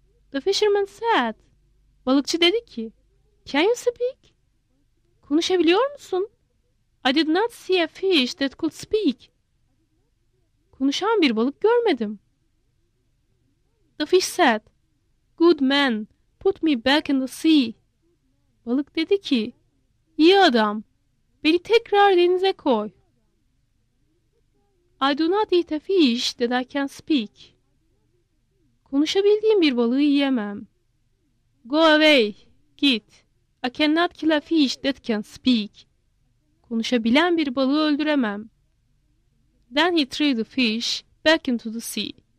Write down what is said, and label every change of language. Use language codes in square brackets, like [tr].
[en] The fisherman said, [tr] Balıkçı dedi ki, [en] Can you speak? [tr] Konuşabiliyor musun? [en] I did not see a fish that could speak. [tr] Konuşan bir balık görmedim. [en] The fish said, Good man, put me back in the sea. [tr] Balık dedi ki, İyi adam, beni tekrar denize koy. [en] I do not eat a fish that I can speak. [tr] Konuşabildiğim bir balığı yiyemem. [en] Go away, [tr] git. [en] I cannot kill a fish that can speak. [tr] Konuşabilen bir balığı öldüremem. [en] Then he threw the fish back into the sea.